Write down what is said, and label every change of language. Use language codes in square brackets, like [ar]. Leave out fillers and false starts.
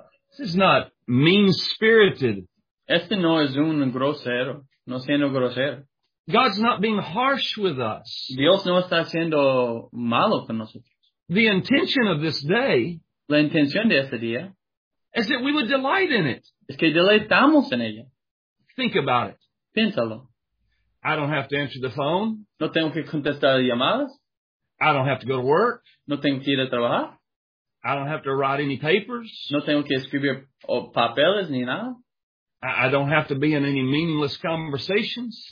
[en] This is not mean-spirited. [es] Este no es un grosero, no siendo grosero. [en] God's not being harsh with us. [es] Dios no está siendo malo con nosotros. [en] The intention of this day, [es] la intención de este día, [en] is that we would delight in it. [es] Es que deleitamos en ella. [en] Think about it. [es] Piénsalo. [en] I don't have to answer the phone. [es] No tengo que contestar llamadas. [en] I don't have to go to work. [es] No tengo que ir a trabajar. [en] I don't have to write any papers. [es] No tengo que escribir papeles ni nada. [en] I don't have to be in any meaningless conversations.